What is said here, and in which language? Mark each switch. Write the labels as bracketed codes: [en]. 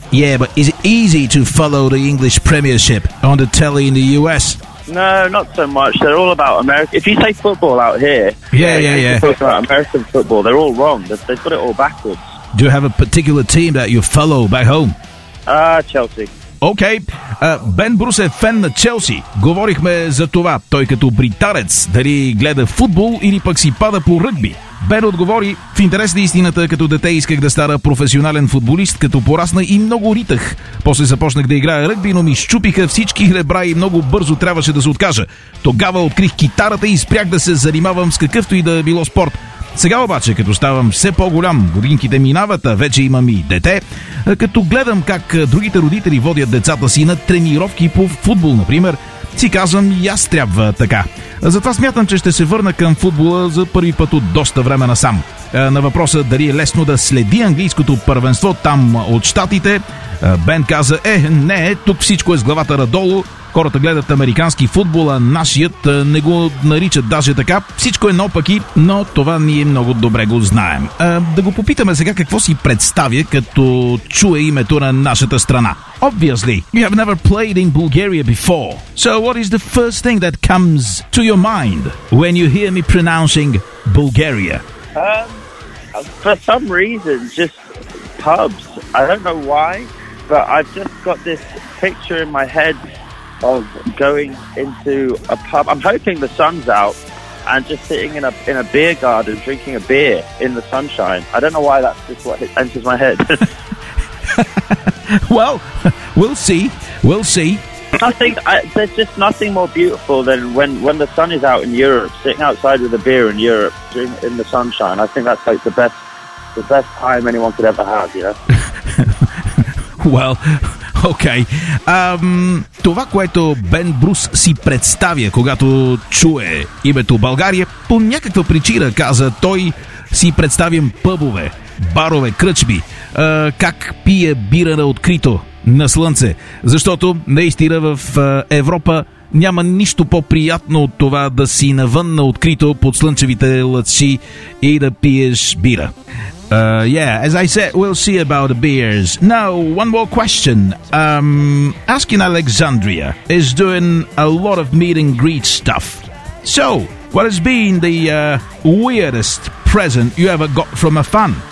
[en] Yeah, but is it easy to follow the English Premiership on the telly in the US? No, not so much. They're all about America. If you say football out here, talk about American football, they're all wrong. They've got it all backwards. Do you have a particular team that you follow back home? Chelsea. [bg] Окей, Бен Брус е фен на Челси. Говорихме за това, той като британец, дали гледа футбол или пък си пада по ръгби. Бен отговори, в интерес на истината, като дете исках да стара професионален футболист, като порасна и много ритах. После започнах да играя ръгби, но ми счупиха всички ребра и много бързо трябваше да се откажа. Тогава открих китарата и спрях да се занимавам с какъвто и да било спорт. Сега обаче, като ставам все по-голям, годинките минават, а вече имам и дете, като гледам как другите родители водят децата си на тренировки по футбол, например, си казвам и аз трябва така. Затова смятам, че ще се върна към футбола за първи път от доста време насам. На въпроса дали е лесно да следи английското първенство там от щатите, Бен каза, не, тук всичко е с главата надолу. Хората гледат американски футбол, а нашият не го наричат даже така. Всичко е наопаки, но това ние много добре го знаем. Да го попитаме сега какво си представя, като чуе името на нашата страна. [en] Obviously, you have never played in Bulgaria before. So what is the first thing that comes to your mind when you hear me pronouncing Bulgaria? For some reason, just pubs. I don't know why, but I've just got this picture in my head of going into a pub. I'm hoping the sun's out and just sitting in a beer garden drinking a beer in the sunshine. I don't know why that's just what enters my head. Well, we'll see. We'll see. There's just nothing more beautiful than when the sun is out in Europe, sitting outside with a beer in Europe in the sunshine. I think that's like the best time anyone could ever have, you know? Well, окей. [bg] Това, което Бен Брус си представя, когато чуе името България, по някаква причина, каза той, си представим пъбове, барове, кръчби, как пие бира на открито, на слънце. Защото наистина в Европа няма нищо по-приятно от това да си навън на открито под слънчевите лъчи и да пиеш бира. [en] As I said, we'll see about the beers. Now, one more question. Asking Alexandria is doing a lot of meet and greet stuff. So, what has been the weirdest present you ever got from a fan?